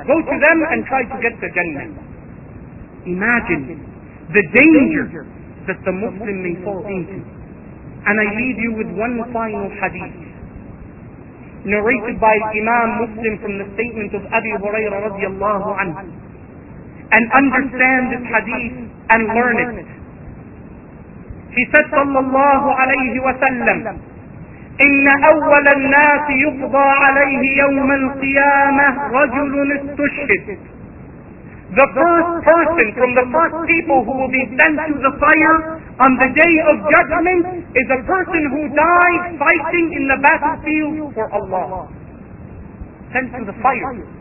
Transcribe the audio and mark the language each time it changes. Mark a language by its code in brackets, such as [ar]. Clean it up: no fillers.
[en] Go to them and try to get the Jannah. Imagine the danger that the Muslim may fall into. And I leave you with one final hadith, narrated by Imam Muslim from the statement of Abi Hurairah radiallahu anhu. And understand this hadith and learn it. He said, [ar] صلى الله عليه وسلم, إن أول الناس يقضى عليه يوم القيامة رجل استشهد. [en] The first person from the first people who will be sent to the fire on the day of judgment is a person who died fighting in the battlefield for Allah. Sent to the fire.